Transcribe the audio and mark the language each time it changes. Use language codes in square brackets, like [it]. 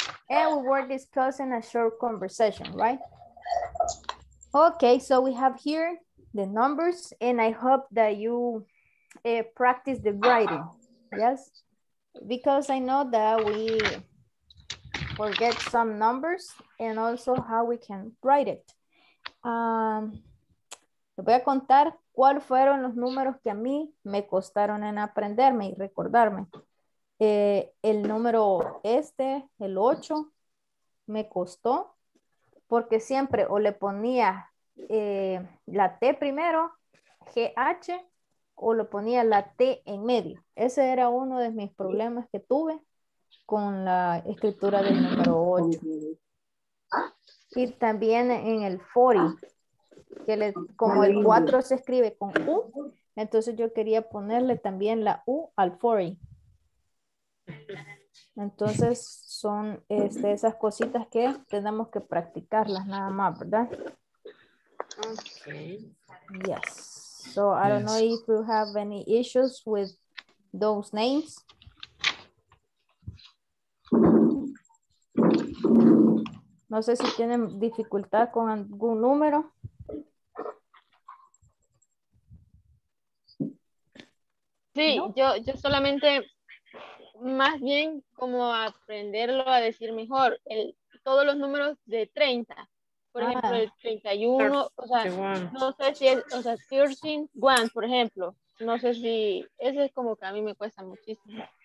[en] And we were discussing a short conversation, right? Okay, so we have here the numbers, and I hope that you practice the writing. Yes? Because I know that we forget some numbers and also how we can write it. [es] Te voy a contar cuáles fueron los números que a mí me costaron en aprenderme y recordarme. El número el 8, me costó porque siempre o le ponía la T primero, GH, o le ponía la T en medio. Ese era uno de mis problemas que tuve con la escritura del número 8. Y también en el 40, que le, como el 4 se escribe con U, entonces yo quería ponerle también la U al 40. Entonces son esas cositas que tenemos que practicarlas nada más, ¿verdad? [en] Okay. Yes. So I don't know if you have any issues with those names. [es] No sé si tienen dificultad con algún número. Sí, ¿no? yo solamente, más bien como aprenderlo a decir mejor, todos los números de 30, por ejemplo, el 31, o sea, no sé si es, o sea, 31, por ejemplo, no sé si, ese es como que a mí me cuesta muchísimo.